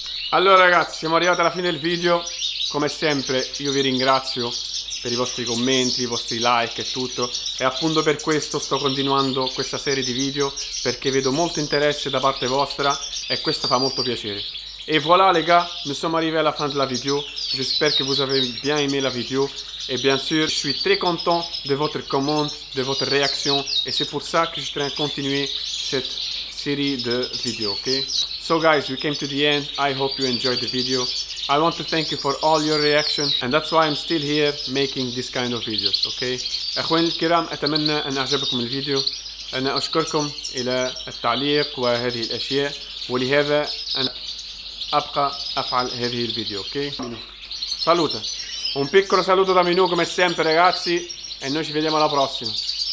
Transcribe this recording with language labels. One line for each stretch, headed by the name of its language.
Italian: Allora ragazzi, siamo arrivati alla fine del video. Come sempre io vi ringrazio per i vostri commenti, i vostri like e tutto, e appunto per questo sto continuando questa serie di video, perché vedo molto interesse da parte vostra e questo fa molto piacere.
French: E voilà les gars, nous sommes arrivés à la fin de la vidéo. J'espère que vous avez bien aimé la vidéo. Et bien sûr, je suis très content de votre commande, de votre réaction. Et c'est pour ça que je train de continuer cette série de vidéos, ok?
English: So guys, we came to the end. I hope you enjoyed the video. I want to thank you for all your reaction. And that's why I'm still here making this kind of videos, ok?
Arabic: اخواني الكرام, اتمنى ان اعجبكم الفيديو. انا اشكركم الى التعليق وهذه الاشياء. ولهذا انا ابقى افعل هذه الفيديو.
Italian: اوكي سالوتا, un piccolo saluto da Minù come sempre ragazzi, e noi ci vediamo alla prossima.